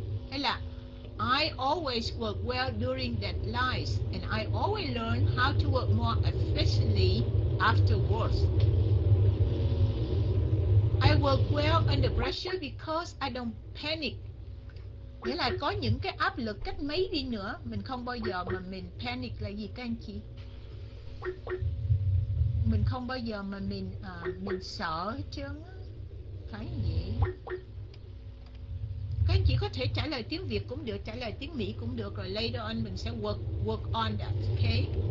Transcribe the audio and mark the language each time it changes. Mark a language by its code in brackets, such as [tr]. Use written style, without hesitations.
[vi] Hay là [en] I always work well during deadlines and I always learn how to work more efficiently afterwards. I work well under pressure because I don't panic. [vi] Nghĩa là có những cái áp lực cách mấy đi nữa, mình không bao giờ mà mình panic là gì các anh chị? Mình không bao giờ mà mình sợ hết trơn. Phải vậy. Các anh chị có thể trả lời tiếng Việt cũng được, trả lời tiếng Mỹ cũng được. [en] Rồi later on [vi] mình sẽ [en] work on that, okay?